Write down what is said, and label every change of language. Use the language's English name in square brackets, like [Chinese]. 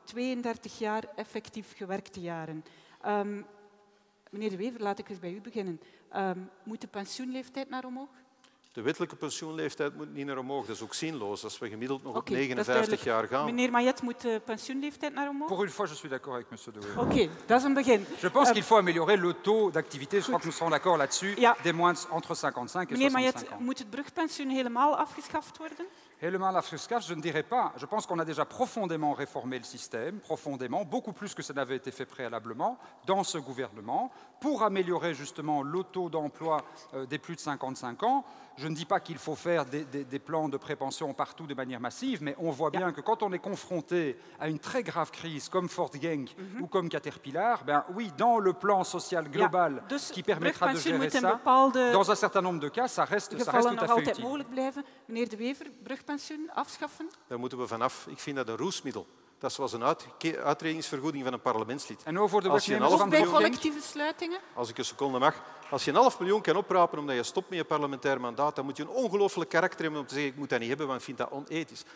[Dutch] 32 jaar effectief gewerkte jaren. Meneer De Wever, laat ik eens bij u beginnen. Moet de pensioenleeftijd naar omhoog? De wettelijke pensioenleeftijd moet niet naar omhoog. Dat is ook zinloos als we gemiddeld nog op 59 jaar gaan. Meneer Mayet, moet de pensioenleeftijd naar omhoog? [French] Pour une fois, je suis d'accord avec monsieur De Wever. [Dutch] Oké, dat is een begin. [French] Je pense qu'il faut améliorer le taux d'activité, je crois que nous serons d'accord là-dessus, des moins entre 55 et 65 ans. [Dutch] Meneer Mayet, moet het brugpensioen helemaal afgeschaft worden? Helemaal afgeschaft, [French] je ne dirais pas. Je pense qu'on a déjà profondément réformé le système, profondément, beaucoup plus que ça n'avait été fait préalablement dans ce gouvernement, pour améliorer justement le taux d'emploi des plus de 55 ans. Je ne dis pas qu'il faut faire des plans de prépension partout de manière massive, mais on voit bien que quand on est confronté à une très grave crise comme Ford Genk ou comme Caterpillar, dans le plan social global qui permettra de gérer ça, [Dutch] bepaalde... [French] dans un certain nombre de cas, ça reste tout à fait utile. [Dutch] Meneer De Wever, brugpensioen afschaffen? Daar moeten we vanaf. Ik vind dat een roesmiddel. Dat is zoals een uitredingsvergoeding van een parlementslid. En over de werknemers bij collectieve sluitingen? Als ik een seconde mag. Als je een 500.000 kan oprapen omdat je stopt met je parlementair mandaat, dan moet je een ongelooflijk karakter hebben om te zeggen, ik moet dat niet hebben, want ik vind dat onethisch.